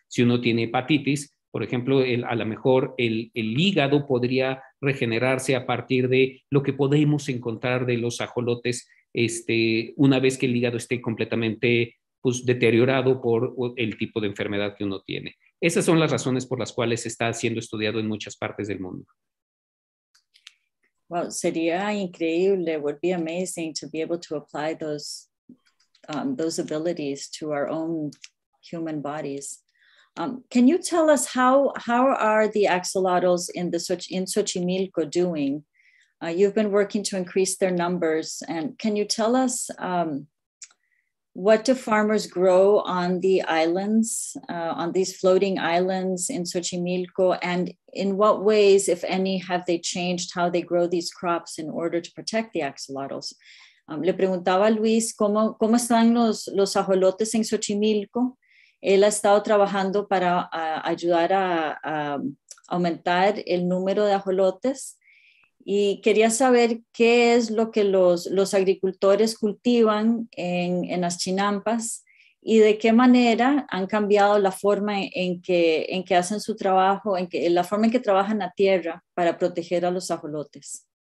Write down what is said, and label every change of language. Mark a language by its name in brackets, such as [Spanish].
[Spanish] Si uno tiene hepatitis, por ejemplo, a lo mejor el hígado podría regenerarse a partir de lo que podemos encontrar de los ajolotes una vez que el hígado esté completamente pues deteriorado por el tipo de enfermedad que uno tiene. Esas son las razones por las cuales está siendo estudiado en muchas partes del mundo. [English] Well, [Spanish] sería increíble, [English] would be amazing to be able to apply those abilities to our own human bodies. Can you tell us how are the axolotls in Xochimilco doing? You've been working to increase their numbers, and can you tell us what do farmers grow on the islands, on these floating islands in Xochimilco, and in what ways, if any, have they changed how they grow these crops in order to protect the axolotls? [Spanish] Le preguntaba a Luis, ¿cómo están los ajolotes en Xochimilco? Él ha estado trabajando para ayudar a aumentar el número de ajolotes. Y quería saber qué es lo que los agricultores cultivan en las chinampas y de qué manera han cambiado la forma en que hacen su trabajo, en la forma en que trabajan la tierra para proteger a los ajolotes.